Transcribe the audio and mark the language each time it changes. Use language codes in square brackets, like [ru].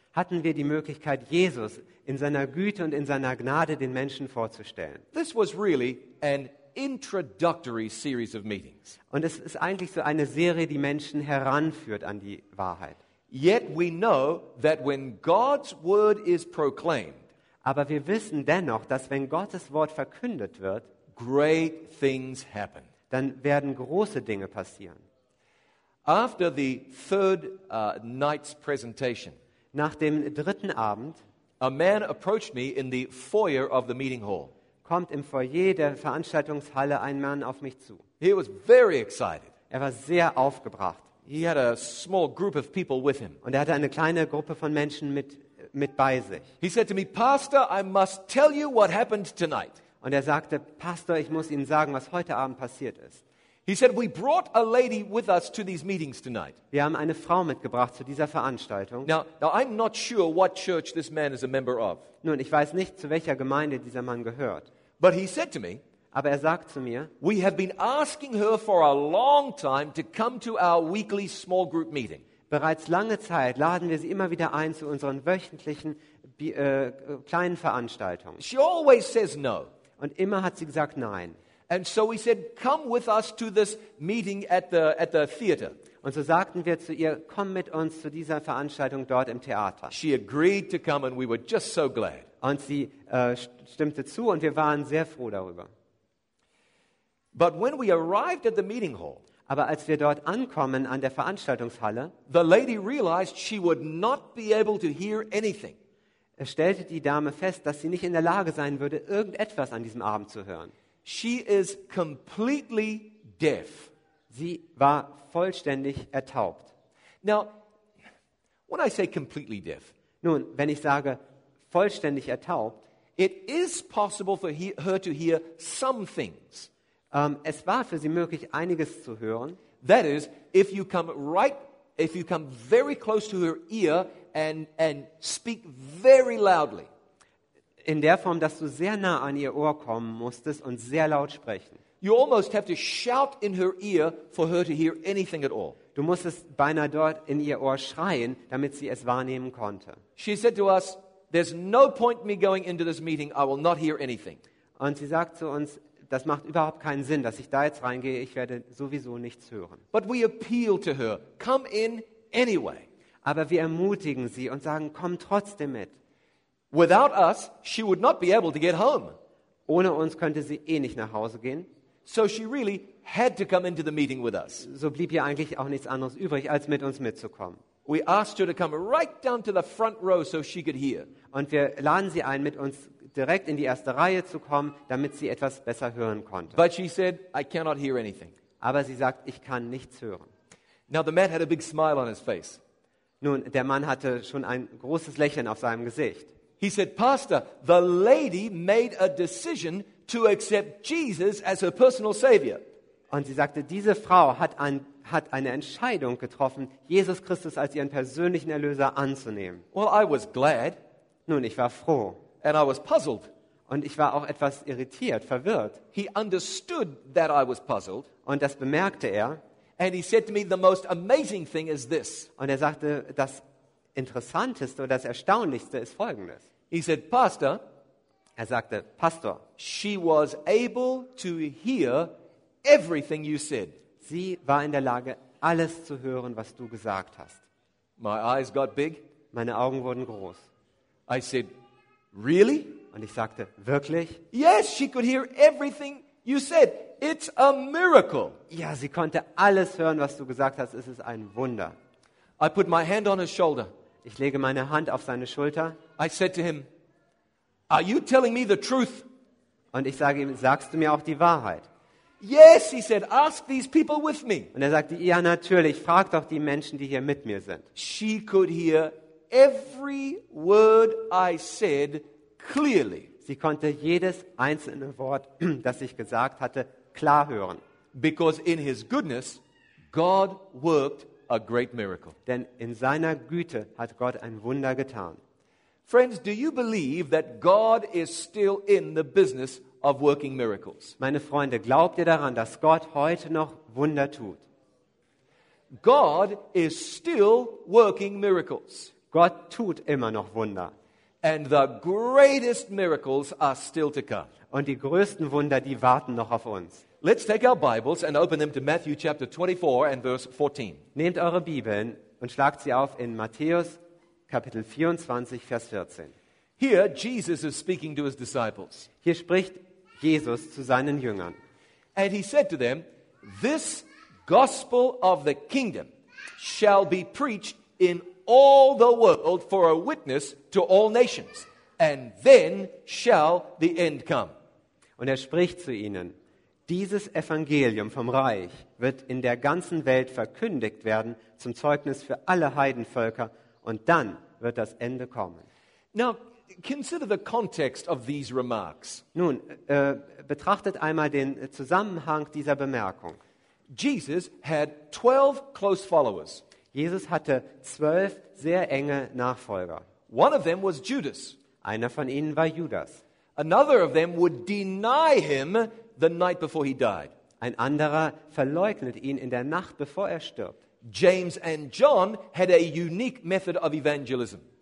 [de] Hatten wir die Möglichkeit, Jesus in seiner Güte und in seiner Gnade den Menschen vorzustellen. [en] This was really an introductory series of meetings. [de] Und es ist eigentlich so eine Serie, die Menschen heranführt an die Wahrheit. [en] Yet we know that when God's word is proclaimed, [de] aber wir wissen dennoch, dass wenn Gottes Wort verkündet wird, [en] great things happen. [de] dann werden große Dinge passieren. [en] After the third night's presentation, [de] nach dem dritten Abend, [en] a man approached me in the foyer of the meeting hall. [de] Kommt im Foyer der Veranstaltungshalle ein Mann auf mich zu. [en] He was very excited. [de] Er war sehr aufgebracht. [en] He had a small group of people with him. [de] Und er hatte eine kleine Gruppe von Menschen mit bei sich. [en] He said to me, "Pastor, I must tell you what happened tonight." [de] Und er sagte, Pastor, ich muss Ihnen sagen, was heute Abend passiert ist. [en] He said, "We brought a lady with us to these meetings tonight." [de] Wir haben eine Frau mitgebracht zu dieser Veranstaltung. [en] Now, I'm not sure what church this man is a member of. [de] Nun, ich weiß nicht, zu welcher Gemeinde dieser Mann gehört. [en] But he said to me, [de] aber er sagt zu mir, [en] "We have been asking her for a long time to come to our weekly small group meeting." [de] Bereits lange Zeit laden wir sie immer wieder ein zu unseren wöchentlichen kleinen Veranstaltungen. [en] She always says no. [de] Und immer hat sie gesagt nein. [en] And so we said, "Come with us to this meeting at the theater." [de] Und so sagten wir zu ihr, komm mit uns zu dieser Veranstaltung dort im Theater. [en] She agreed to come and we were just so glad. [de] Und sie stimmte zu und wir waren sehr froh darüber. [en] But when we arrived at the meeting hall, [de] aber als wir dort ankommen an der Veranstaltungshalle, [en] the lady realized she would not be able to hear anything. [de] Stellte die Dame fest, dass sie nicht in der Lage sein würde, irgendetwas an diesem Abend zu hören. [en] She is completely deaf. [de] Sie war vollständig ertaubt. [en] Now, when I say completely deaf, [de] nun, wenn ich sage vollständig ertaubt, [en] it is possible for her to hear some things. [de] Es war für sie möglich, einiges zu hören. [en] That is, if you come right, if you come very close to her ear and speak very loudly. [de] In der Form, dass du sehr nah an ihr Ohr kommen musstest und sehr laut sprechen. [en] You almost have to shout in her ear for her to hear anything at all. [de] Du musstest beinahe dort in ihr Ohr schreien, damit sie es wahrnehmen konnte. [en] She said to us, "There's no point me going into this meeting. I will not hear anything." [de] Und sie sagt zu uns, das macht überhaupt keinen Sinn, dass ich da jetzt reingehe. Ich werde sowieso nichts hören. [en] But we appeal to her, "Come in anyway." [de] Aber wir ermutigen sie und sagen, komm trotzdem mit. [en] Without us, she would not be able to get home. [de] Ohne uns könnte sie eh nicht nach Hause gehen. [en] So she really had to come into the meeting with us. [de] So blieb ihr eigentlich auch nichts anderes übrig, als mit uns mitzukommen. [en] We asked her to come right down to the front row so she could hear. [de] Und wir laden sie ein, mit uns direkt in die erste Reihe zu kommen, damit sie etwas besser hören konnte. [en] But she said, "I cannot hear anything." [de] Aber sie sagt, ich kann nichts hören. [en] Now the man had a big smile on his face. [de] Nun, der Mann hatte schon ein großes Lächeln auf seinem Gesicht. [en] He said, "Pastor, the lady made a decision to accept Jesus as her personal savior." [de] Und sie sagte, diese Frau hat eine Entscheidung getroffen, Jesus Christus als ihren persönlichen Erlöser anzunehmen. [en] Well, I was glad. [de] Nun, ich war froh. [en] And I was puzzled. [de] Und ich war auch etwas irritiert, verwirrt. [en] He understood that I was puzzled. [de] Und das bemerkte er. [en] And he said to me, "The most amazing thing is this." [de] Und er sagte, das Interessanteste oder das Erstaunlichste ist Folgendes. [en] He said, "Pastor." [de] Er sagte, Pastor. [en] "She was able to hear everything you said." [de] Sie war in der Lage, alles zu hören, was du gesagt hast. [en] My eyes got big. [de] Meine Augen wurden groß. [en] I said, "Really?" [de] Und ich sagte, wirklich? [en] "Yes, she could hear everything you said. It's a miracle." [de] Ja, sie konnte alles hören, was du gesagt hast. Es ist ein Wunder. [en] I put my hand on his shoulder. [de] Ich lege meine Hand auf seine Schulter. [en] I said to him, "Are you telling me the truth?" [de] Und ich sage ihm, sagst du mir auch die Wahrheit? [en] "Yes," he said, "ask these people with me." [de] Und er sagte, ja, natürlich, frag doch die Menschen, die hier mit mir sind. [en] She could hear every word I said clearly. [de] Sie konnte jedes einzelne Wort, das ich gesagt hatte, klar hören. [en] Because in his goodness, God worked a great miracle. [de] Denn in seiner Güte hat Gott ein Wunder getan. [en] Friends, do you believe that God is still in the business of working miracles? [de] Meine Freunde, glaubt ihr daran, dass Gott heute noch Wunder tut? [en] God is still working miracles. [de] Gott tut immer noch Wunder. [en] And the greatest miracles are still to come. [de] Und die größten Wunder, die warten noch auf uns. [en] Let's take our Bibles and open them to Matthew chapter 24 and verse 14. [de] Nehmt eure Bibeln und schlagt sie auf in Matthäus Kapitel 24, Vers 14. [en] Here Jesus is speaking to his disciples. [de] Hier spricht Jesus zu seinen Jüngern. [en] And he said to them, this gospel of the kingdom shall be preached in all the world for a witness to all nations, and then shall the end come. [de] Und er spricht zu ihnen, dieses Evangelium vom Reich wird in der ganzen Welt verkündigt werden zum Zeugnis für alle Heidenvölker, und dann wird das Ende kommen. [en] Now, consider the context of these remarks. [de] Nun, betrachtet einmal den Zusammenhang dieser Bemerkung. [en] Jesus had 12 close followers. [de] Jesus hatte 12 sehr enge Nachfolger. [en] One of them was Judas. [de] Einer von ihnen war Judas. [en] Another of them would deny him the night before he died. [de] Ein anderer verleugnet ihn in der Nacht, bevor er stirbt. [en] James and John had a unique method of evangelism.